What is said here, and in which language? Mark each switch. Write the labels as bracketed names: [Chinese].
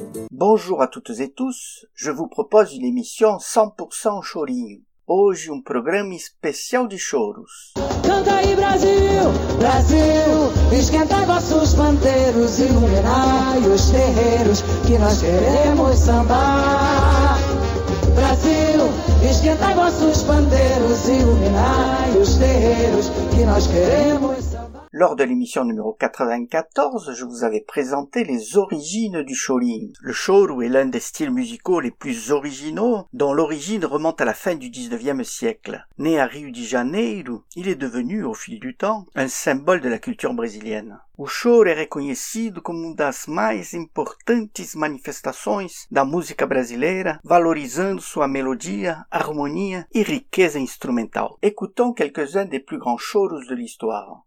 [French] Bonjour à toutes et tous, je vous propose une émission 100% chorinho. [Portuguese] Hoje, um programa especial de choros. Canta aí, Brasil, Brasil, esquenta vossos panteiros, iluminai os terreiros que nós queremos sambar. Brasil, esquenta vossos panteiros, iluminai os terreiros que nós queremos. [French] Lors de l'émission numéro 94, je vous avais présenté les origines du chorinho. Le choro est l'un des styles musicaux les plus originaux, dont l'origine remonte à la fin du 19e siècle. Né à Rio de Janeiro, il est devenu, au fil du temps, un symbole de la culture brésilienne. [Portuguese] O choro é reconhecido como uma das mais importantes manifestações da música brasileira, valorizando sua melodia, harmonia e riqueza instrumental. [French] Écoutons quelques-uns des plus grands choros de l'histoire.